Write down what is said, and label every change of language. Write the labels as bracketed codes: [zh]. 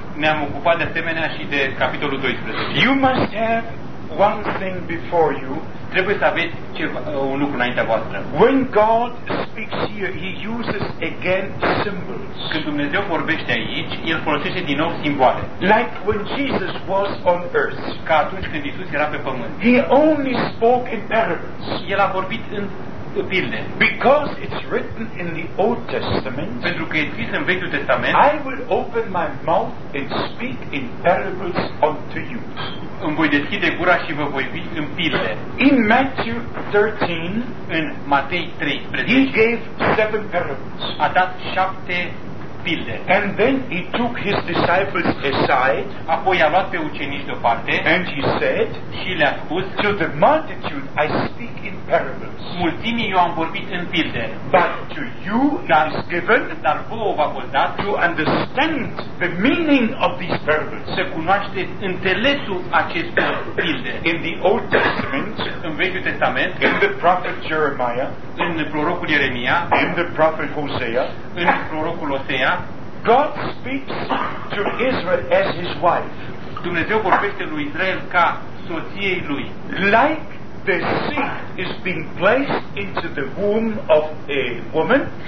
[ro] Ne-am ocupat de asemenea și de capitolul 12. [en] You must have one thing before you. [ro] Trebuie să aveți ceva, un lucru înaintea voastră. [en] When God speaks here, He uses again symbols. [ro] Când Dumnezeu vorbește aici, El folosește din nou simboale. [en] Like when Jesus was on earth. [ro] Ca atunci când Iisus era pe pământ. [en] He only spoke in parables. [ro] El a vorbit în pilde. [en] Because it's written in the Old Testament. [ro] Pentru că e scris în Vechiul Testament. [en] I will open my mouth and speak in parables unto you. [ro] Îmi voi deschide gura și vă voi vii în pilde. [en] In Matthew 13, [ro] în Matei 13, [en] He gave 7 parables. [ro] A dat 7 pilde. [en] And then He took His disciples aside. [ro] Apoi a luat pe ucenici deoparte. [en] And He said, [ro] și le-a spus, [en] to the multitude I speak in parables. [ro] Mulțimii eu am vorbit în pilde. [en] But to you it is given, [ro] dar vouă v-a fost dat, [en] to understand the meaning of these parables. [ro] Să cunoașteți înțelesul acestor pilde. [en] In the Old Testament, [ro] în Vechiul Testament, [en] in the prophet Jeremiah, [ro] în prorocul Ieremia, [en] in the prophet Hosea, [ro] în prorocul Hosea, [en] God speaks to Israel as His wife. [ro] Dumnezeu vorbește lui Israel ca soției lui. [en] Like the seed is being placed into the womb of a woman,